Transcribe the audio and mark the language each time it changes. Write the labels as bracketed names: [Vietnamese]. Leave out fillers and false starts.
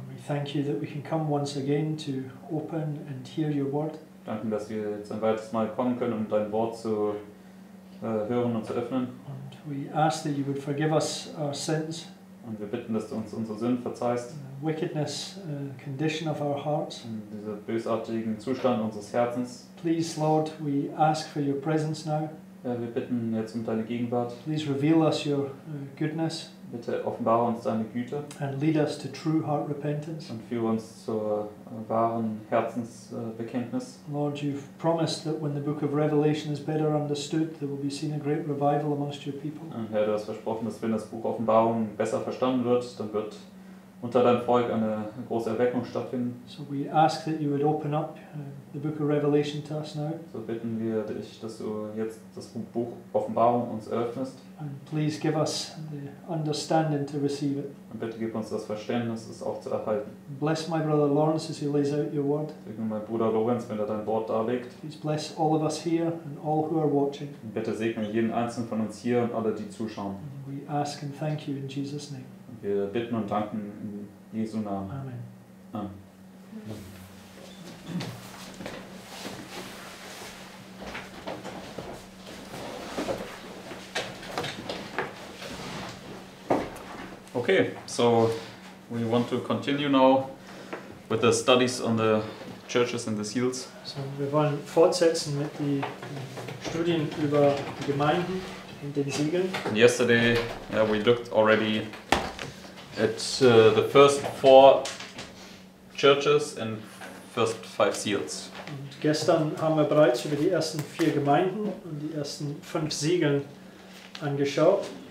[English] We thank you that we can come once again to open and hear your word. [German] Danken, dass wir jetzt ein weiteres Mal kommen können, um dein Wort zu hören und zu öffnen. [English] And we ask that you would forgive us our sins. [German] Und wir bitten, dass du uns unsere Sünden verzeihst. [English] Wickedness, condition of our hearts. [German] Und dieser bösartigen Zustand unseres Herzens. [English] Please, Lord, we ask for your presence now. [German] Wir bitten jetzt um deine Gegenwart. [English] Please reveal us your goodness. [German] Bitte offenbare uns deine Güte. [English] And lead us to true heart repentance. [German] Und führe uns zur wahren Herzensbekenntnis. [English] Lord, you've promised that when the book of Revelation is better understood, there will be seen a great revival amongst your people. [German] Und Herr, du hast versprochen, dass wenn das Buch Offenbarung besser verstanden wird, dann wird unter deinem Volk eine große Erweckung stattfinden. [English] So we ask that you would open up the book of Revelation to us now. [German] So bitten wir dich, dass du jetzt das Buch Offenbarung uns eröffnest. [English] And please give us the understanding to receive it. [German] Und bitte gib uns das Verständnis, es auch zu erhalten. [English] Bless my brother Lawrence as he lays out your word. [German] Segne meinen Bruder Lorenz, wenn dein Wort darlegt. [English] Please bless all of us here and all who are watching. [German] Und bitte segne jeden einzelnen von uns hier und alle, die zuschauen. [English] And we ask and thank you in Jesus' name. [German] Wir bitten und danken in Jesu Namen. [English] Amen. [German] Amen. [English] Okay, so we want to continue now with the studies on the churches and the seals. [German] So wir wollen fortsetzen mit den Studien über die Gemeinden und den Siegeln. [English] And yesterday we looked already at the first four churches and first five seals. [German] Und gestern haben wir bereits über die ersten vier Gemeinden und die ersten fünf Siegeln angeschaut.